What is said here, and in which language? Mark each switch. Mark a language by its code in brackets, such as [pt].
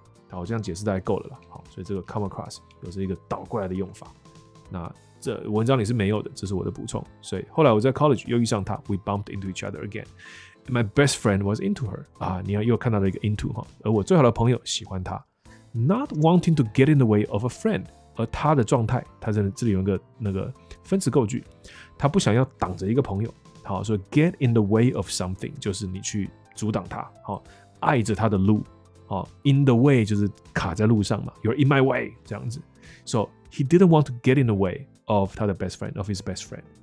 [zh] 好，我这样解释大概够了吧。好，所以这个 come across 有这一个倒过来的用法。那这文章里是没有的，这是我的补充。所以后来我在 college 又遇上他， [en] we bumped into each other again. My best friend was into her. [zh] 啊，你又看到了一个 into 哈，而我最好的朋友喜欢他。 [en] Not wanting to get in the way of a friend. [zh] 而他的状态，他在这里有一个那个分词构句，他不想要挡着一个朋友。好，所以 get in the way of something 就是你去阻挡他，好，碍着他的路。好 ，in the way 就是卡在路上嘛 ， [en] you're in my way [zh] 这样子。 [en] So he didn't want to get in the way of [zh] 他的 [en] best friend of his best friend。